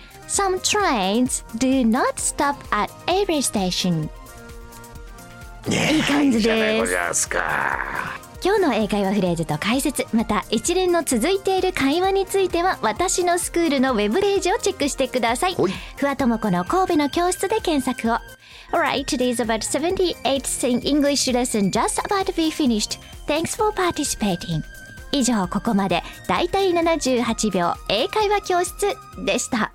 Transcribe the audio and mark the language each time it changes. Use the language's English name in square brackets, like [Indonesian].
[English] Some trains do not stop at every station。 [Japanese] いい感じです。いいじゃないございますか。今日の英会話フレーズと解説、また一連の続いている会話については私のスクールのウェブページをチェックしてください。ふわともこの神戸の教室で検索を。 [English] Alright, today's about 78th English lesson just about to be finished. Thanks for participating. [Japanese] 以上、ここまでだいたい78秒英会話教室でした。